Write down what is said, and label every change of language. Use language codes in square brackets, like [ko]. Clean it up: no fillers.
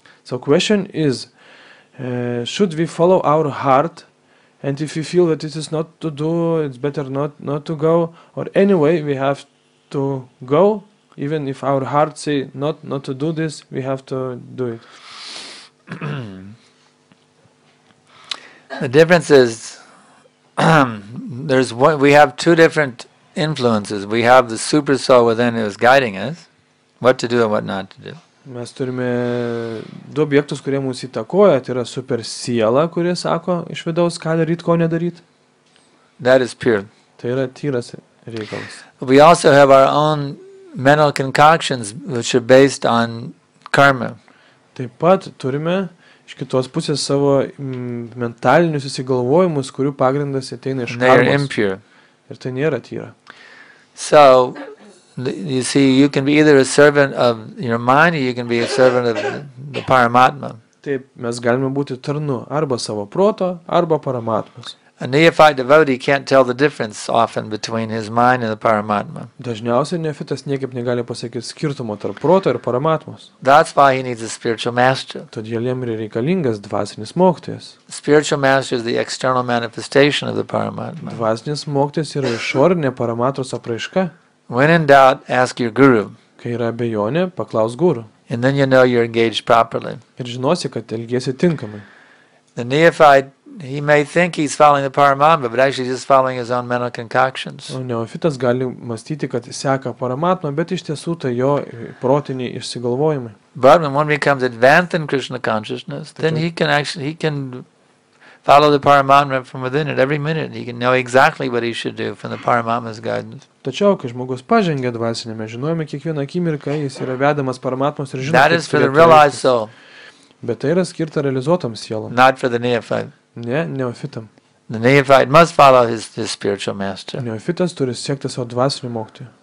[en] So question is, should we follow our heart, and if we feel that it is not to do, it's better not to go, or anyway, we have to go, even if our heart say not to do this, we have to do it. The difference is, there's one, we have two different influences. We have the super soul within who is guiding us, what to do and what not to do. [lt] Mes turime du objektus, kurie mus įtakoja, tai yra super siela, kuri sako iš vidaus, ką daryt, ko nedaryt. [en] That is pure. [lt] Tai yra tyras reikalas. [en] We also have our own mental concoctions, which are based on karma. [lt] Taip pat turime iš kitos pusės savo mentalinius įsigalvojimus, kurių pagrindas ateina iš karmos. Ir tai nėra tyra. [en] So, you see, you can be either a servant of your mind, or you can be a servant of the Paramatma. [lt] Taip, mes galime būti tarnu arba savo proto, arba Paramatmos. [en] A neophyte devotee can't tell the difference often between his mind and the Paramatma. [lt] Dažniausiai neofitas niekaip negali pasakyti skirtumo tarp proto ir Paramatmos. [en] That's why he needs a spiritual master. [lt] Todėl jam yra reikalingas dvasinis mokytojas. [en] Spiritual master is the external manifestation of the Paramatma. [lt] Dvasinis mokytojas yra išorinė Paramatmos apraiška. [en] When in doubt, ask your guru. [lt] Kai yra abejonė, paklaus guru. [en] And then you know you're engaged properly. [lt] Ir žinosi, kad elgiesi tinkamai. [en] The neophyte, he may think he's following the Paramatma, but actually just following his own mental concoctions. [lt] O neofitas gali mąstyti, kad seka Paramatma, bet iš tiesų tai jo protiniai išsigalvojimai. [en] But when one becomes advanced in Krishna consciousness, then he can follow the Paramatma from within at every minute. He can know exactly what he should do from the Paramatma's guidance. [lt] Tačiau, kai žmogus pažengia dvasinėme, žinojame kiekvieną akimirką, jis yra vedamas Paramatmos ir žino, [en] that is for the realized soul. [lt] Bet tai yra skirta realizuotam sielom. [en] Not for the neophyte. [lt] Ne, neofitam. [en] The neophyte must follow his spiritual master. [lt] Neofitas turi siekti savo dvasinį mokytoją.